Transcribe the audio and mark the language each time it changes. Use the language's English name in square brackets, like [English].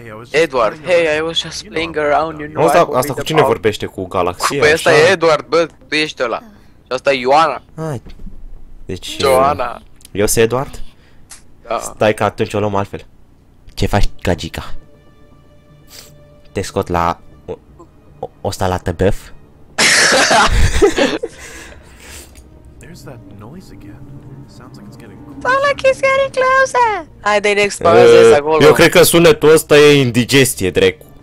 [English] Edward, hey, I was just playing around, you know. [Romanian] Asta, asta cu cine vorbește cu Galaxy? Păi ăsta e Edward, bă, tu ești ăla. Și asta e Ioana. Hai. Deci Ioana. Eu sunt Edward? Da. Stai că atunci o luăm altfel. Ce faci, Gagica? Te scot la o salată băf? [English] There's that noise again. Sounds like it's getting closer. Like he's getting closer. [Romanian] Hai, dai next, pa, acolo. Eu cred că sunetul ăsta e indigestie, dracu.